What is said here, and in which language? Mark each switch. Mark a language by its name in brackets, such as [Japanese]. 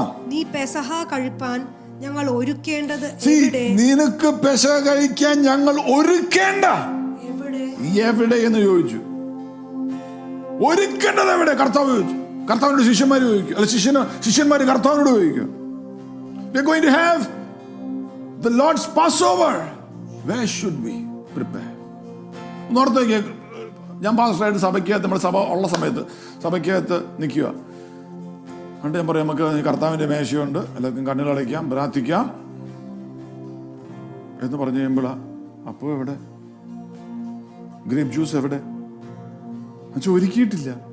[Malayalam] നീ പെസഹ കഴിപ്പാൻ ഞങ്ങൾ ഒരുക്കേണ്ടത് എവിടെ? നിനക്ക് പെസഹ കഴിക്കാൻ ഞങ്ങൾ ഒരുക്കേണ്ട എവിടെ എന്ന് ചോദിച്ചു. ഒരുക്കേണ്ടത് എവിടെ? കർത്താവ് ചോദിച്ചു. കർത്താവിന്റെ ശിഷ്യന്മാര് ചോദിക്കും, അല്ല ശിഷ്യന്മാര് കർത്താവിനോട് ചോദിക്കും. [English] We are going to have the Lord's Passover. Where should we prepare? [Malayalam] നോർത്തേക്ക് ഞാൻ പാസ്റ്റർ സഭയ്ക്കകത്ത്, നമ്മുടെ സഭ ഉള്ള സമയത്ത് സഭയ്ക്കകത്ത് നിൽക്കുക. എന്നിട്ട് ഞാൻ പറയാം, നമുക്ക് കർത്താവിന്റെ മേശയുണ്ട്, എല്ലാവർക്കും കണ്ണുകളടയ്ക്കാം, പ്രാർത്ഥിക്കാം എന്ന് പറഞ്ഞു കഴിയുമ്പോഴാ, അപ്പോ എവിടെ? ഗ്രേപ്പ് ജ്യൂസ് എവിടെ? എന്നുവെച്ചാൽ ഒരുക്കിയിട്ടില്ല.